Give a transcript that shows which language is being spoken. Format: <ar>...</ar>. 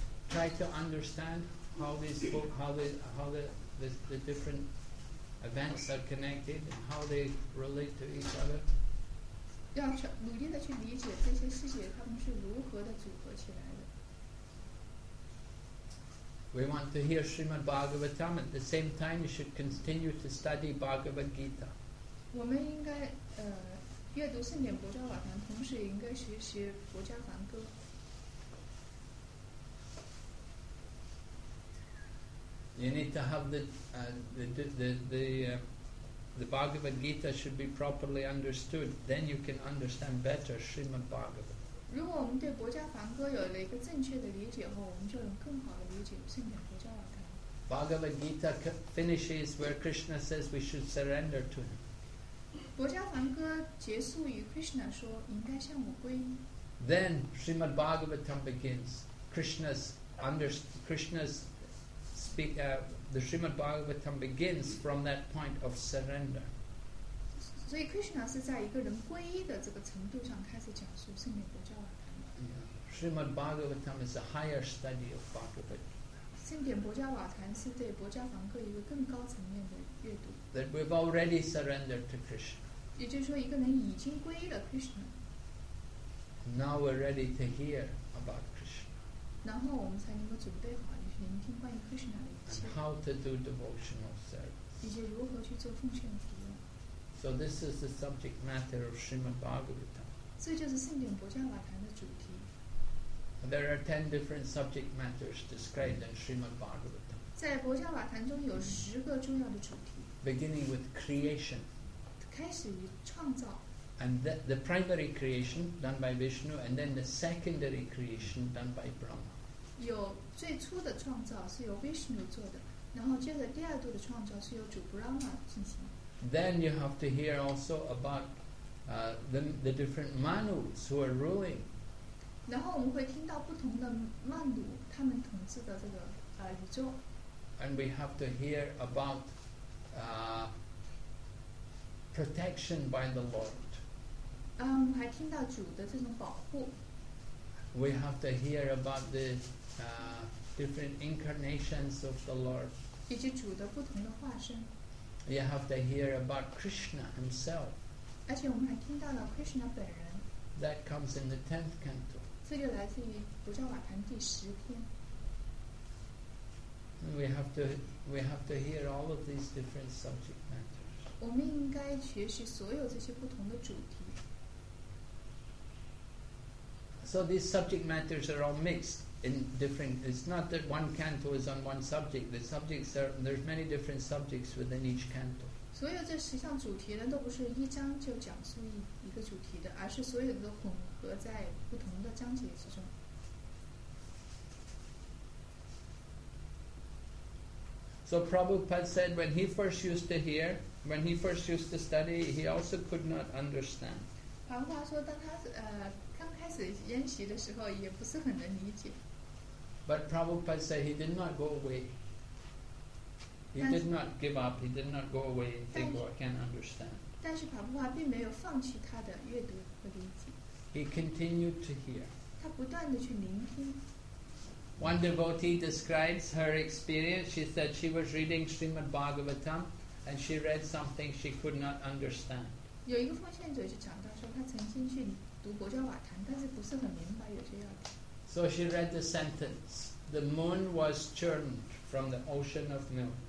<en>Try to understand how these book, how the different events are connected and how they relate to each other.</en> <zh>要努力的去理解这些细节，他们是如何的组合起来的。</zh> <en>We want to hear Srimad Bhagavatam. At the same time, you should continue to study Bhagavad Gita.</en> <zh>我们应该阅读圣典《薄伽瓦坛》，同时也应该学习《薄伽梵歌》。</zh> <en>You need to have the Bhagavad Gita should be properly understood. Then you can understand better Srimad Bhagavatam.</en> <zh>如果我们对《薄伽梵歌》有了一个正确的理解后，我们就能更好的理解圣典《薄伽瓦坛》。</zh> <en>Bhagavad Gita finishes where Krishna says we should surrender to him.</en> <zh>薄伽梵歌结束于 Krishna 说应该向我归依。</zh> <en>Then Srimad Bhagavatam begins. The Srimad Bhagavatam begins from that point of surrender. So Krishna is</en> <zh>在一个人皈依的这个程度上开始讲述圣典薄伽瓦坛。</zh> <en>Srimad Bhagavatam is a higher study of Bhagavad Gita.</en> <zh>圣典薄伽瓦坛是对薄伽梵歌一个更高层面的阅读。</zh> <en>That we've already surrendered to Krishna.</en> <zh>也就是说，一个人已经皈依了 Krishna.</zh> <en>Now we're ready to hear about Krishna.</en> <zh>然后我们才能够准备好。聆听关于 Krishna 的一切，</zh> <en>and how to do devotional service，</en> <zh>以及如何去做奉献服务。</zh> <en>So this is the subject matter of Srimad Bhagavatam。</en> <zh>这就是圣典薄伽瓦坛的主题。</zh> <en>There are 10 different subject matters described in Srimad Bhagavatam。</en> <zh>在薄伽瓦坛中有十个重要的主题。</zh> <en>Beginning with creation，</en> <zh>开始于创造。</zh> <en>And the primary creation done by Vishnu， and then the secondary creation done by Brahma。</en> <zh>有最初的创造是由 Vishnu 做的，然后接着第二度的创造是由主 Brahma 进行。</zh> <en>Then you have to hear also about the different Manus who are ruling.</en> <zh>然后我们会听到不同的曼努他们统治的这个宇宙。</zh> <en>And we have to hear about protection by the Lord.</en> <zh>还听到主的这种保护。</zh> <en>We have to hear about the different incarnations of the Lord.</en> <zh>以及主的不同的化身。</zh> <en>You have to hear about Krishna himself.</en> <zh>而且我们还听到了 Krishna 本人。</zh> <en>That comes in the 10th canto.</en> <zh>这就来自于薄伽瓦坛第十篇。</zh> <en>We have to hear all of these different subject matters.</en> <zh>我们应该学习所有这些不同的主题。</zh> <en>So these subject matters are all mixed in different. It's not that one canto is on one subject. The subjects are there's many different subjects within each canto.</en> <zh>所有这十项主题呢，都不是一章就讲述一个主题的，而是所有的混合在不同的章节之中。</zh> <en>So Prabhupada said when he first used to hear, when he first used to study, he also could not understand.</en> <zh>庞华说，当他刚开始研习的时候也不是很能理解。</zh> <en>But Prabhupada said he did not go away. He did not give up. He did not go away and think, oh, I can't understand.</en> <zh>但是庞华并没有放弃他的阅读和理解。</zh> <en>He continued to hear.</en> <zh>他不断地去聆听。</zh> <en>One devotee describes her experience. She said she was reading Srimad Bhagavatam and she read something she could not understand.</en> <zh>有一个奉献者就讲到说他曾经去读薄伽瓦坛，但是不是很明白有些要点。</zh> <en>So she read the sentence: "The moon was churned from the ocean of milk."</en>